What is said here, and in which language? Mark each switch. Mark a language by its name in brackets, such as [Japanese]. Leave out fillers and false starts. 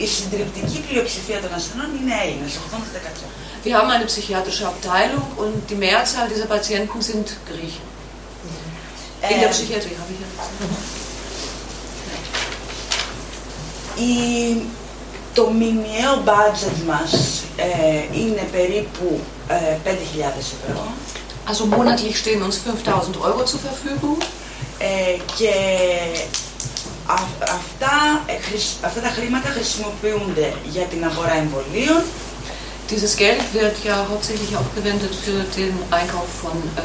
[Greek] Η συντριπτική πλειοψηφία των ασθενών είναι Έλληνες, 80%. [German] Wir haben eine psychiatrische Abteilung und die Mehrzahl dieser Patienten sind Griechen. In der Psychiatrie habe ich ja gesagt. [Greek] Το μηνιαίο budget μας είναι περίπου 5.000 ευρώ. [German] Also monatlich stehen uns 5.000 Euro zur Verfügung. [Greek] Και αυτά τα χρήματα χρησιμοποιούνται για την αγορά εμβολίων. [German] Dieses Geld wird ja hauptsächlich auch gewendet für den Einkauf von